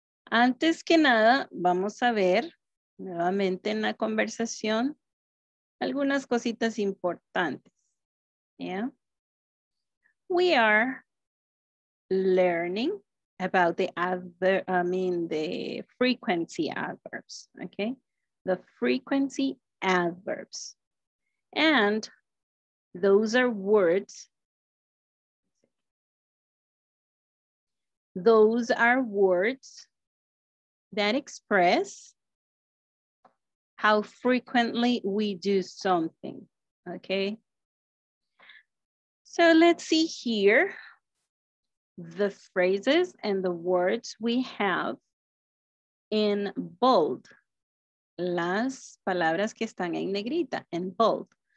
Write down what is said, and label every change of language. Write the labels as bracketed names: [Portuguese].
[Spanish] Antes que nada, vamos a ver nuevamente en la conversación algunas cositas importantes. [English] Yeah. We are learning about the the frequency adverbs, okay? The frequency adverbs. And those are words. Those are words that express how frequently we do something, okay? So let's see here the phrases and the words we have in bold. [Spanish] Las palabras que están en negrita, [English] in bold.